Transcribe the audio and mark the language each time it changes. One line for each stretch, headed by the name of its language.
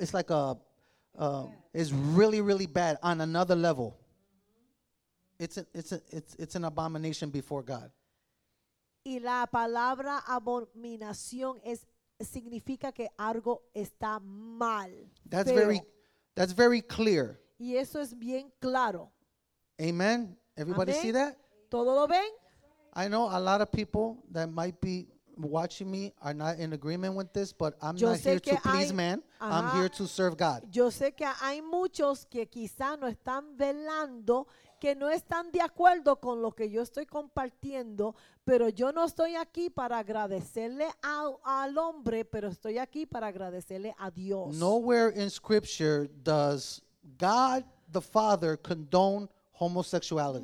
English: It's like it's really, really bad on another level. It's an abomination before God.
Spanish: Y la palabra abominación es significa que algo está mal.
English: That's very clear.
Spanish: Y eso es bien claro.
English: Amen. Everybody
Spanish: Amen.
English: See that?
Spanish: ¿Todo lo ven?
English: I know a lot of people that might be watching me are not in agreement with this, but I'm
Spanish: Yo
English: not here to please man. I'm here to serve God.
Spanish: Yo sé que hay muchos que quizá no están velando, que no están de acuerdo con lo que yo estoy compartiendo, pero yo no estoy aquí para agradecerle al hombre, pero estoy aquí para agradecerle a Dios.
English: Nowhere in Scripture does God the Father condone homosexuality.